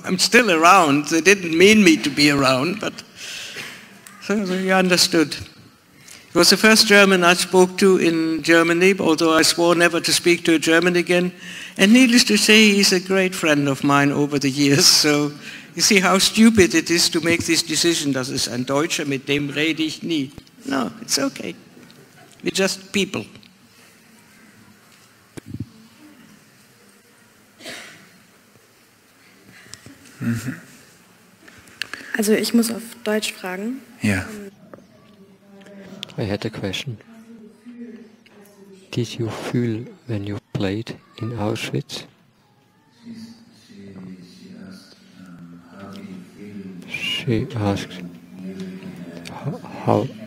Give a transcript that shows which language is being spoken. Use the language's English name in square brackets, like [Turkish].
[English] I'm still around. They didn't mean me to be around, but... So he understood. He was the first German I spoke to in Germany, although I swore never to speak to a German again. And needless to say, he's a great friend of mine over the years. So you see how stupid it is to make this decision. [German] Das ist ein Deutscher, mit dem rede ich nie. [English] No, it's okay. We're just people. Mm-hmm. [German] Also, ich muss auf Deutsch fragen. Ja. [English] Yeah. I had a question. Did you feel when you played in Auschwitz? She asked, how...